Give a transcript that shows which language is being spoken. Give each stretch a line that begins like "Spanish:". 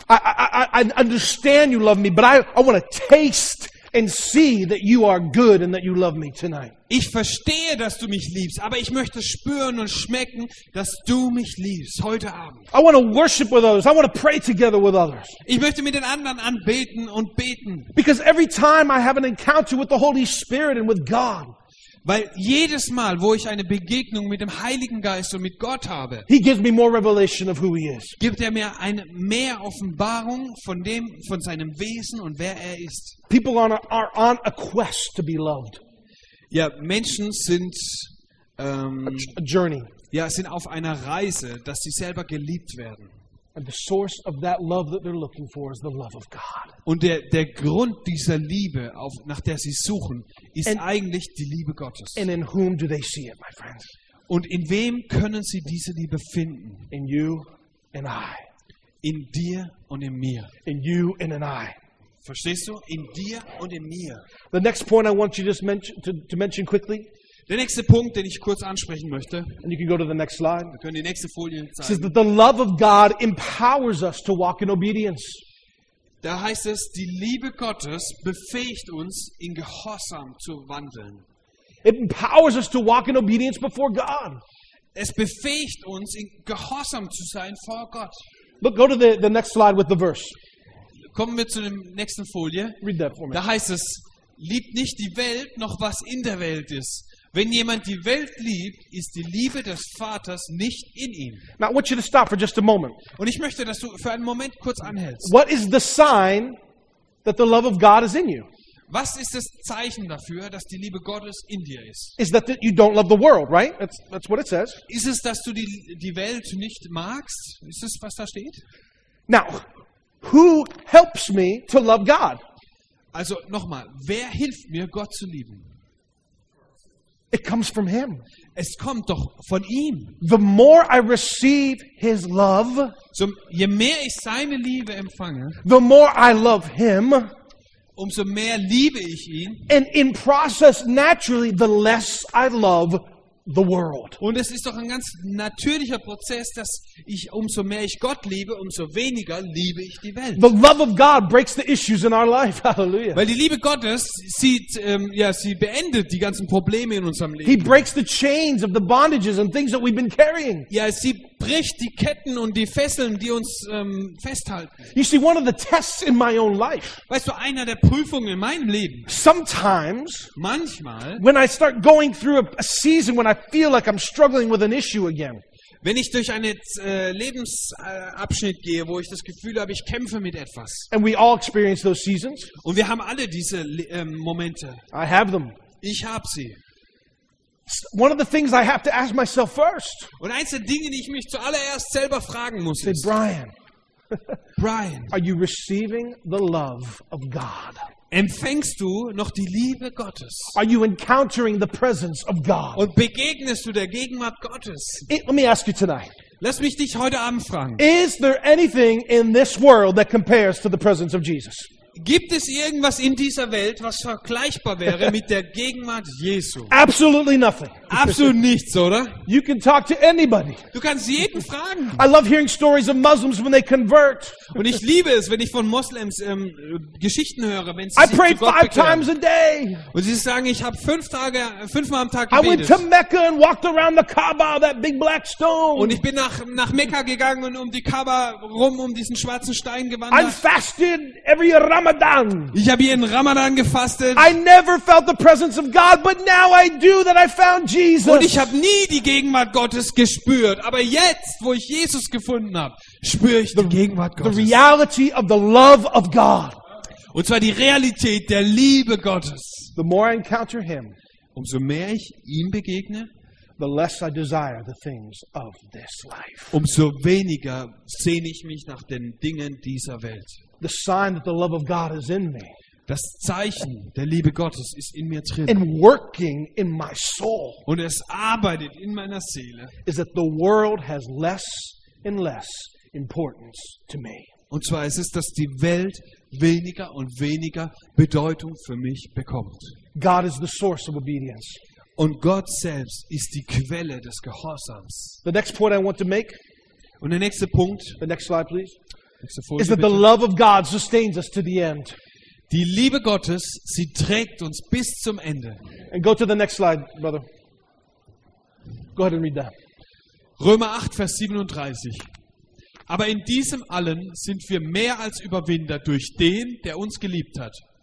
English: I understand you love me, but I want to taste and see that you are good and that you love me tonight.
German: Ich verstehe, dass du mich liebst, aber ich möchte spüren und schmecken, dass du mich liebst heute Abend.
English: I want to worship with others. I want to pray together with others.
German: Ich möchte mit den anderen anbeten und beten.
English: Because every time I have an encounter with the Holy Spirit and with God,
German: weil jedes Mal, wo ich eine Begegnung mit dem Heiligen Geist und mit Gott habe,
English: he gives me more revelation of who he is.
German: Gibt er mir eine mehr Offenbarung von dem, von seinem Wesen und wer er ist.
English: People are on a quest to be loved.
German: Ja, Menschen sind
English: a journey.
German: Ja, sind auf einer Reise, dass sie selber geliebt werden.
English: And the source of that love that they're looking for is the love of God.
German: Und der Grund dieser Liebe, nach der sie suchen, ist eigentlich die Liebe Gottes.
English: And in whom do they see it, my friends?
German: Und in wem können sie diese Liebe finden?
English: In you and I.
German: In dir und in mir.
English: In you and in I.
German: Verstehst du? In dir und in mir.
English: The next point I want you just to mention quickly.
German: Der nächste Punkt, den ich kurz ansprechen möchte.
English: And you can go to the next slide.
German: Wir können die nächste Folie zeigen.
English: It says that the love of God empowers us to walk in obedience.
German: Da heißt es, die Liebe Gottes befähigt uns, in Gehorsam zu wandeln.
English: It empowers us to walk in obedience before God.
German: Es befähigt uns, in Gehorsam zu sein vor Gott.
English: Look, go to the next slide with the verse.
German: Kommen wir zu der nächsten Folie.
English: Read that for me.
German: Da heißt es, liebt nicht die Welt, noch was in der Welt ist. Wenn jemand die Welt liebt, ist die Liebe des Vaters nicht in ihm.
English: Now I want you to stop for just a moment.
German: Und ich möchte, dass du für einen Moment kurz anhältst.
English: What is the sign that the love of God is in you?
German: Was ist das Zeichen dafür, dass die Liebe Gottes in dir ist?
English: Is that you don't love the world, right? That's what it says.
German: Ist es, dass du die Welt nicht magst? Ist es, was da steht?
English: Now, who helps me to love God?
German: Also nochmal, wer hilft mir, Gott zu lieben?
English: It comes from him.
German: Es kommt doch von ihm.
English: The more I receive his love,
German: so je mehr ich seine Liebe empfange,
English: the more I love him,
German: umso mehr liebe ich ihn.
English: And in process, naturally, the less I love the world.
German: Und es ist doch ein ganz natürlicher Prozess, dass ich umso mehr ich Gott liebe, umso weniger liebe ich die Welt.
English: The love of God breaks the issues in our life. Hallelujah.
German: Weil die Liebe Gottes sieht sie beendet die ganzen Probleme in unserem Leben.
English: He breaks the chains of the bondages and things that we've been carrying.
German: Ja, sie bricht die Ketten und die Fesseln, die uns festhalten.
English: You see, one of the tests in my own life.
German: Weißt du, einer der Prüfungen in meinem Leben.
English: Sometimes,
German: manchmal,
English: when I start going through a season when I feel like I'm struggling with an issue again.
German: Wenn ich durch einen Lebensabschnitt gehe, wo ich das Gefühl habe, ich kämpfe mit etwas.
English: And we all experience those seasons.
German: Und wir haben alle diese Momente.
English: I have them.
German: Ich habe sie.
English: One of the things I have to ask myself first.
German: Und eins der Dinge, die ich mich zuallererst selber fragen muss, ist, Brian. Brian,
English: are you receiving the love of God?
German: Empfängst du noch die Liebe Gottes?
English: Are you encountering the presence of God?
German: Und begegnest du der Gegenwart Gottes?
English: Let me ask you tonight.
German: Lass mich dich heute Abend fragen.
English: Is there anything in this world that compares to the presence of Jesus?
German: Gibt es irgendwas in dieser Welt, was vergleichbar wäre mit der Gegenwart Jesu?
English: Absolutely nothing.
German: Absolut nichts, oder?
English: You can talk to anybody.
German: Du kannst jeden fragen.
English: I love hearing stories of Muslims when they convert.
German: Und ich liebe es, wenn ich von Moslems Geschichten höre, wenn sie sich zu Gott bekehren.
English: I prayed 5 times a day.
German: Und sie sagen, ich habe fünfmal am Tag gebetet.
English: I went to Mecca and walked around the Kaaba, that big black stone.
German: Und ich bin nach Mekka gegangen und um die Kaaba rum, um diesen schwarzen Stein gewandert.
English: I fasted every Ramadan.
German: Ich habe jeden Ramadan gefastet.
English: I never felt the presence of God, but now I do that I found Jesus.
German: Und ich habe nie die Gegenwart Gottes gespürt, aber jetzt, wo ich Jesus gefunden habe, spüre ich die Gegenwart Gottes.
English: The reality of the love of God.
German: Und zwar die Realität der Liebe Gottes.
English: The more I encounter him,
German: umso mehr ich ihm begegne,
English: the less I desire the things of this life.
German: Umso weniger sehne ich mich nach den Dingen dieser Welt.
English: The sign that the love of God is in me.
German: Das Zeichen der Liebe Gottes ist in mir drin.
English: And working in my soul.
German: Und es arbeitet in meiner Seele.
English: Is that the world has less and less importance to me.
German: Und zwar ist es, dass die Welt weniger und weniger Bedeutung für mich bekommt.
English: God is the source of obedience.
German: Und Gott selbst ist die Quelle des Gehorsams.
English: The next point I want to make.
German: Und der nächste Punkt.
English: The next slide, please. Is that the love of God sustains us to the end?
German: Die Liebe Gottes, sie trägt uns bis zum Ende.
English: And go to the next slide, brother. Go ahead and read that.
German: Römer 8, Vers 37. Aber in diesem allen sind wir mehr als Überwinder durch den, der uns geliebt hat.